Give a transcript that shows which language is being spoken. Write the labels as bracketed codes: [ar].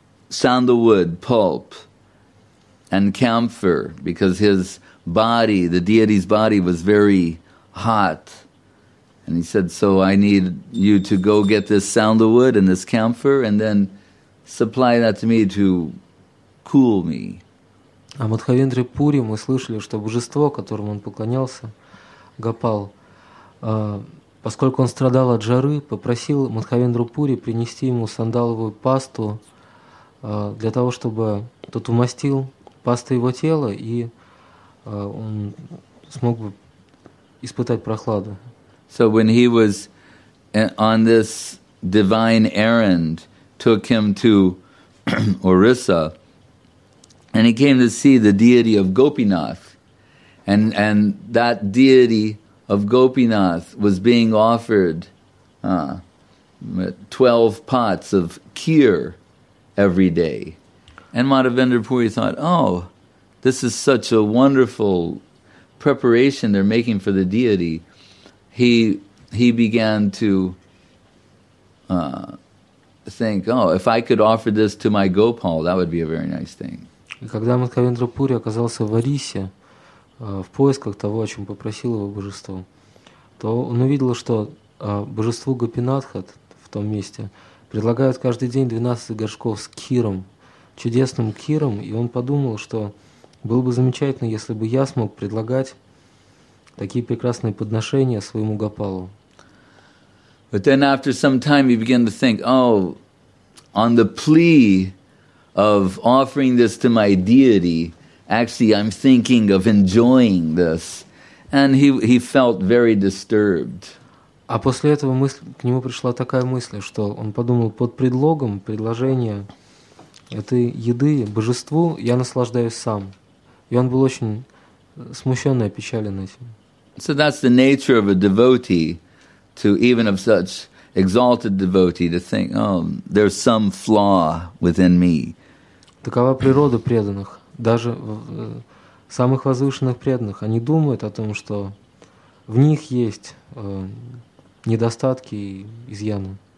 [en] sandalwood pulp and camphor, because his body, the deity's body, was very hot. And he said, so I need you to go get this sandalwood and this camphor and then supply that to me to cool me. [ru] А Мадхавендре Пури мы слышали, что божество, которому он поклонялся, Гопал, поскольку он страдал от жары, попросил Мадхавендру Пури принести ему сандаловую пасту для того, чтобы тот умастил пастой его тело, и он смог бы испытать прохладу. [en] So when he was on this divine errand, took him to Orissa, and he came to see the deity of Gopinath, and that deity of Gopinath was being offered 12 pots of kheer every day. And Madhavendra Puri thought, oh, this is such a wonderful preparation they're making for the deity. He began to think, oh, if I could offer this to my Gopal, that would be a very nice thing. [ru] И когда Мадхавендра Пури оказался в Орисе, в поисках того, о чем попросил его божество, то он увидел, что божеству Гопинатха в том месте предлагают каждый день 12 горшков с киром, чудесным киром, и он подумал, что было бы замечательно, если бы я смог предлагать такие прекрасные подношения своему Гопалу. [en] But then after some time he began to think, oh, on the plea of offering this to my deity, actually I'm thinking of enjoying this. And he felt very disturbed. [ru] А после этого к нему пришла такая мысль, что он подумал, под предлогом предложения этой еды божеству я наслаждаюсь сам. И он был очень смущен и опечален этим. [en] So that's the nature of a devotee, to even of such exalted devotee, to think, oh, there's some flaw within me. [ru] Такова природа преданных. Даже самых возвышенных преданных, они думают о том, что в них есть недостатки и изъяны.